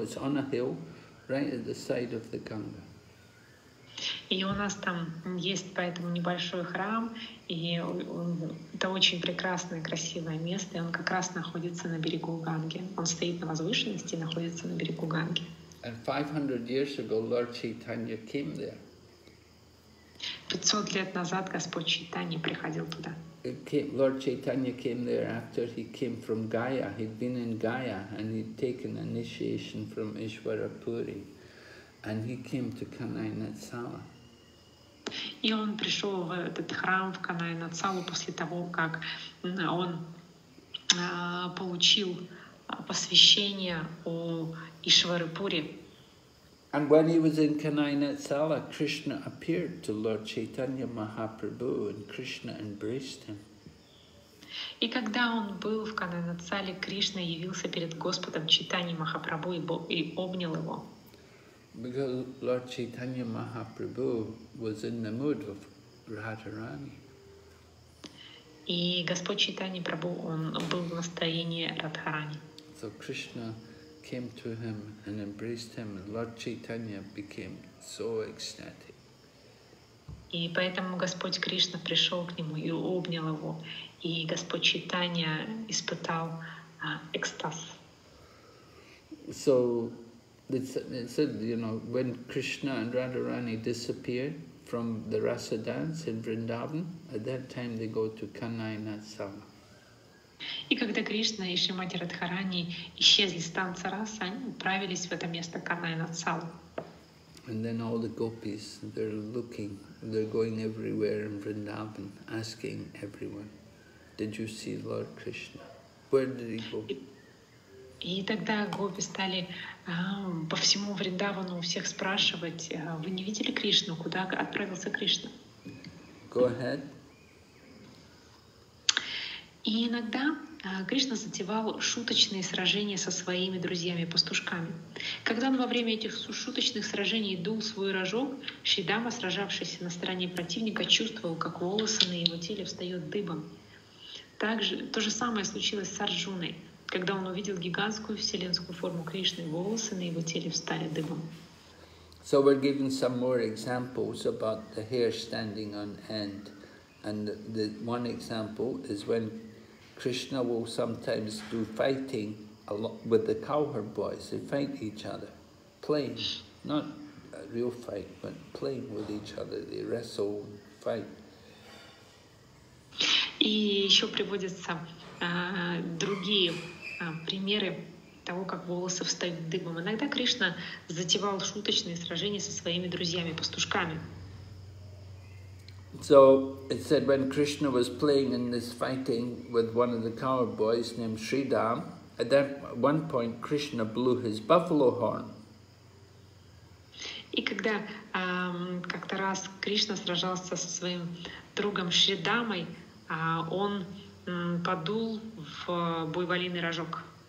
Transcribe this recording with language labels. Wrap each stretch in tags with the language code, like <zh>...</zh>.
<en>It's on a hill, right at the side of the Ganga.</en> <ru>И у нас там есть поэтому небольшой храм, и это очень прекрасное, красивое место. И он как раз находится на берегу Ганги. Он стоит на возвышенности, находится на берегу Ганги.</ru> <en>And 500 years ago, Lord Chaitanya came there.</en> <ru>500 лет назад Господь Чайтанья приходил туда.</ru> <en>Lord Chaitanya came there after he came from Gaya. He'd been in Gaya and he'd taken initiation from Ishwarapuri. And he came to Kanai Natsala.</en> <ru>И он пришел в этот храм в Kanai Natsala после того, как он получил посвящение у Ishwarapuri.</ru> <en>And when he was in Kanai Natsala, Krishna appeared to Lord Chaitanya Mahaprabhu, and Krishna embraced him.</en> <ru>И когда он был в Кананацале, Кришна явился перед Господом Чайтанья Махапрабху и обнял его.</ru> <en>Because Lord Chaitanya Mahaprabhu was in the mood of Radharani.</en> <ru>И Господь Чайтанья Прабху, он был в настроении Радхарани.</ru> <en>So Krishna came to him and embraced him, and Lord Chaitanya became so ecstatic.</en> <ru>И поэтому Господь Кришна пришел к нему и обнял его, и Господь Чайтанья испытал экстаз.</ru> <en>So it said, you know, when Krishna and Radharani disappeared from the Rasa dance in Vrindavan, at that time they go to Kanainatsala.</en> <ru>И когда Кришна и Шримати Радхарани исчезли с танца Раса, они отправились в это место Канайнатсала.</ru> <en>And then all the gopis, they're looking, they're going everywhere in Vrindavan, asking everyone, did you see Lord Krishna? Where did he go?</en> <ru>И тогда гопи стали по всему Вриндавану у всех спрашивать, вы не видели Кришну, куда отправился Кришна?</ru> <en>Go ahead.</en> <ru>И иногда Кришна затевал шуточные сражения со своими друзьями-пастушками. Когда он во время этих шуточных сражений дул свой рожок, Шридама, сражавшийся на стороне противника, чувствовал, как волосы на его теле встают дыбом. Также то же самое случилось с Арджуной. Когда он увидел гигантскую вселенскую форму Кришны, волосы на его теле встали дыбом.</ru> <en>So we're given some more examples about the hair standing on end. And the one example is when Krishna will sometimes do fighting a lot with the cowherd boys. They fight each other, playing. Not a real fight, but playing with each other. They wrestle and fight.</en> <ru>И еще приводятся другие примеры того, как волосы встают дыбом. Иногда Кришна затевал шуточные сражения со своими друзьями-пастушками.</ru> <en>So it said when Krishna was playing in this fighting with one of the cowherd boys named Shridam, at that one point Krishna blew his buffalo horn.</en> <ru>И когда как-то раз Кришна сражался со своим другом Шридамой, он подул в буйволиный рожок.</ru>